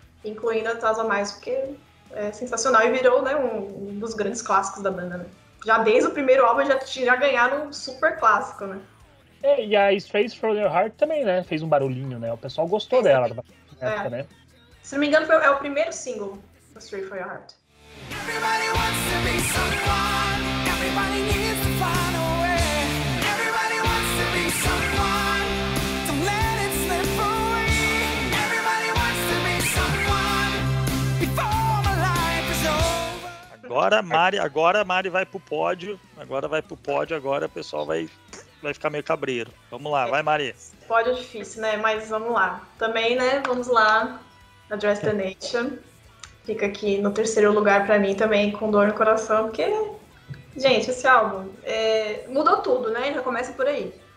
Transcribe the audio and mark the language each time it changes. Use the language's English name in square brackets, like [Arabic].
[Portuguese] incluindo a Taz a Mais, porque é sensacional e virou, né, um dos grandes clássicos da banda, né? Já desde o primeiro álbum já ganharam um super clássico, né? É, e a Space From Your Heart também, né? Fez um barulhinho, né? O pessoal gostou dela na época, né? Se não me engano, é o primeiro single da Space From Your Heart. [English] Everybody wants to be someone. Everybody needs to find a way. Everybody wants to be someone. Don't let it slip away. Everybody wants to be someone. Before my life is over. [Portuguese] Agora a Mari vai pro pódio. Agora o pessoal vai ficar meio cabreiro. Vamos lá, vai, Mari. Pódio é difícil, né? Mas vamos lá. Também, né? Vamos lá. Address the Nation. Fica aqui no terceiro lugar pra mim também, com dor no coração, porque, gente, esse álbum mudou tudo, né? Já começa por aí.